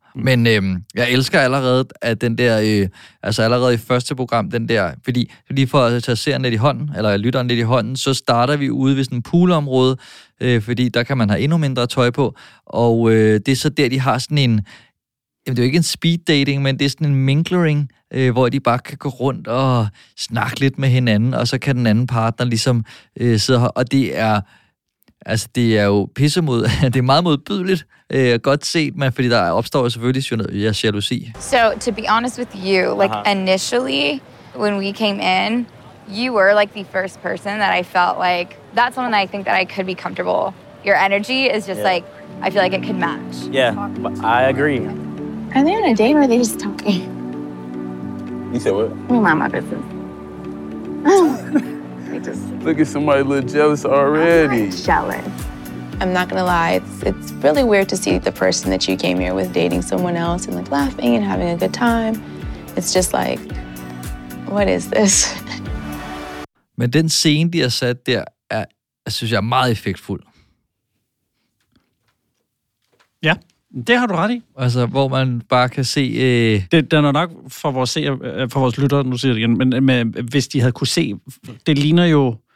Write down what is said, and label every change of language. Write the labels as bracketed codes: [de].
[da] Men jeg elsker allerede, at den der, altså allerede i første program, den der, fordi lige for at tage serien lidt i hånden, eller lytteren lidt i hånden, så starter vi ude ved sådan en poolområde, fordi der kan man have endnu mindre tøj på, og det er så der, de har sådan en, jamen, det er jo ikke en speed dating, men det er sådan en minglering, hvor de bare kan gå rundt og snakke lidt med hinanden, og så kan den anden partner ligesom sidde her, og det er... Altså, det er jo pissemod. Det er meget modbydeligt. Godt set, men fordi der opstår selvfølgelig jalousi. [en] So, to be honest with you, like, initially, when we came in, you were, like, the first person that I felt like, that's someone that I think that I could be comfortable. Your energy is just, like, I feel like it could match. Yeah, I agree. Are they on a date or are they just talking? You said what? We mind my business. Just, look at somebody a little jealous already. I'm not jealous. I'm not gonna lie, it's really weird to see the person that you came here with dating someone else and like laughing and having a good time. It's just like, what is this? [da] Men den scene, de har sat der, er, jeg synes, jeg er meget effektfuld. Ja. Det har du ret i. Altså, hvor man bare kan se... Det er nok for vores, for vores lytter, nu siger det igen, men med, hvis de havde kunne se... Det ligner jo...